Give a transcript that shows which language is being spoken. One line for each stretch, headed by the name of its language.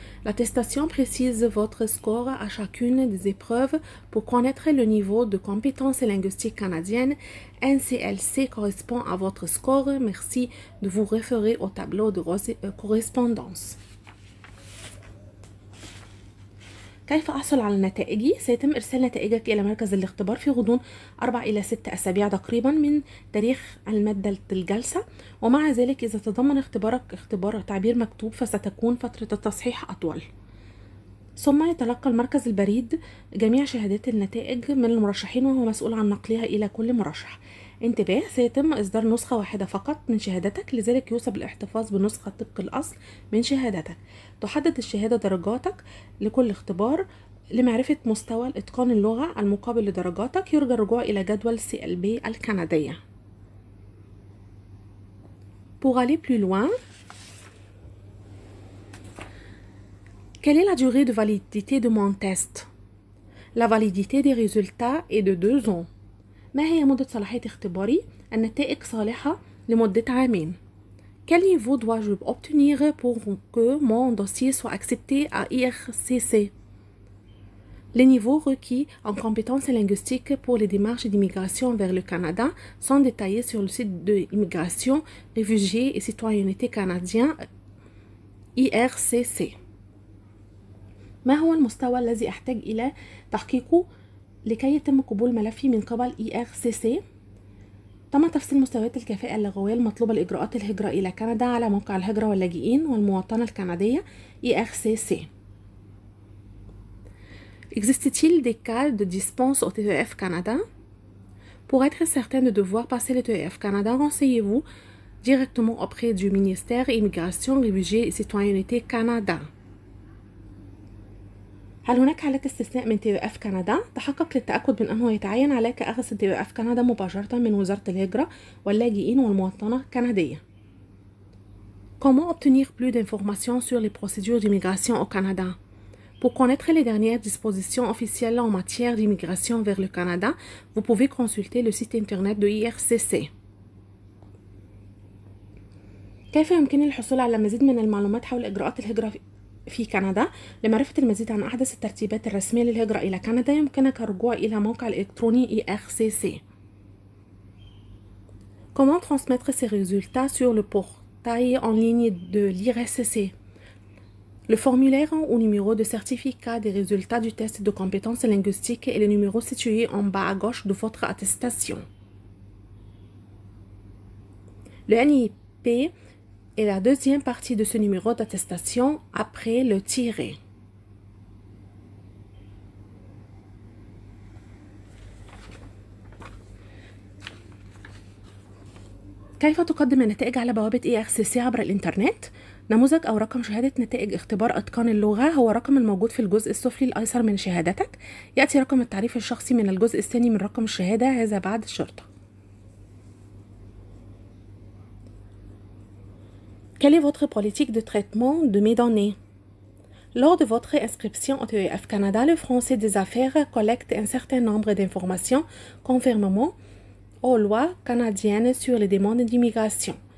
French: L'attestation précise votre score à chacune des épreuves pour connaître le niveau de compétence linguistique canadienne. NCLC correspond à votre score. Merci de vous référer au tableau de correspondance.
Arabic: كيف أحصل على نتائجي؟ سيتم إرسال نتائجك إلى مركز الاختبار في غضون 4 إلى 6 أسابيع تقريبا من تاريخ المادة الجلسة، ومع ذلك إذا تضمن اختبارك اختبار تعبير مكتوب فستكون فترة التصحيح أطول. ثم يتلقى المركز البريد جميع شهادات النتائج من المرشحين وهو مسؤول عن نقلها إلى كل مرشح. انتباه، سيتم إصدار نسخة واحدة فقط من شهادتك، لذلك يوصي بالاحتفاظ بنسخة طبق الأصل من شهادتك. تحدد الشهادة درجاتك لكل اختبار لمعرفة مستوى إتقان اللغة المقابل لدرجاتك. يرجى الرجوع إلى جدول CLB الكندية.
French: Pour aller plus loin, quelle est la durée de validité de mon test? La validité des résultats est de 2 ans.
Arabic: ما هي مدة صلاحية اختباري؟ النتائج صالحة لمدة عامين.
French: Quel niveau dois-je obtenir pour que mon dossier soit accepté à IRCC? Les niveaux requis en compétences linguistiques pour les démarches d'immigration vers le Canada sont détaillés sur le site de l'immigration, réfugiés et citoyenneté canadien IRCC.
Arabic: ما هو المستوى الذي احتاج الى تحقيقه لكي يتم قبول ملفي من قبل IRCC؟ تم تفصيل مستويات الكفاءة اللغوية المطلوبة لإجراءات الهجرة إلى كندا على موقع الهجرة واللاجئين والمواطنة الكندية IRCC.
French: Existe-t-il des cas de dispense au TEF Canada? Pour être certain de devoir passer le TEF Canada, renseignez-vous directement auprès du ministère Immigration, Réfugiés et Citoyenneté Canada.
Arabic: هل هناك حالات استثناء من TEF كندا؟ تحقق للتأكد من أنه يتعين عليك أخذ TEF كندا مباشرة من وزارة الهجرة واللاجئين والمواطنة الكندية.
French: Comment obtenir plus d'informations sur les procédures d'immigration au Canada؟ Pour connaître les dernières dispositions officielles en matière d'immigration vers le Canada, vous pouvez consulter le site internet de l'IRCC.
Arabic: كيف يمكنني الحصول على مزيد من المعلومات حول إجراءات الهجرة في كندا؟ لمعرفة المزيد عن أحدث الترتيبات الرسمية للهجرة إلى كندا، يمكنك الرجوع إلى موقع الإلكتروني IRCC.
French: Comment transmettre ces résultats sur le portail en ligne de l'IRCC? Le formulaire ou numéro de certificat des résultats du test de compétences linguistiques et le numéro situé en bas à gauche de votre attestation. Le NIP est la deuxième partie de ce numéro d'attestation après le tiret.
Arabic: كيف تقدم النتائج على بوابة IRCC عبر الإنترنت؟ نموذج أو رقم شهادة نتائج اختبار أتقان اللغة هو رقم الموجود في الجزء السفلي الأيسر من شهادتك. يأتي رقم التعريف الشخصي من الجزء الثاني من رقم الشهادة، هذا بعد الشرطة.
French: Quelle est votre politique de traitement de mes données? Lors de votre inscription au TEF Canada, le français des affaires collecte un certain nombre d'informations conformément aux lois canadiennes sur les demandes d'immigration.